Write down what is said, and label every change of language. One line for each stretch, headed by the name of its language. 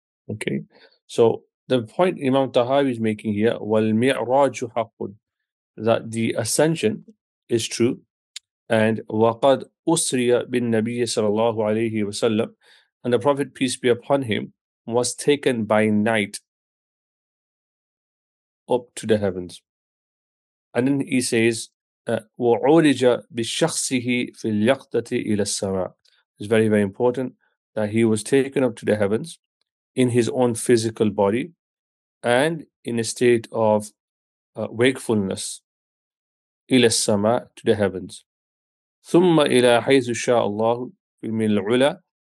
English: Okay, so the point Imam Tahawi is making here,
Arabic: wal mi'raju haqqun,
English: that the ascension is true, and
Arabic: waqad usriya bin nabiyya
English: sallallahu alayhi wa sallam, and the Prophet, peace be upon him, was taken by night up to the heavens. And then he says,
Arabic: وَعُولِجَ بِالشَّخْصِهِ فِي الْيَقْدَةِ إِلَى السَّمَاءِ.
English: It's very, very important that he was taken up to the heavens in his own physical body and in a state of wakefulness.
Arabic: إِلَى السَّمَاءِ,
English: to the heavens.
Arabic: ثُمَّ إِلَى حَيْثُ شَاءَ اللَّهُ فِي الْعُلَى.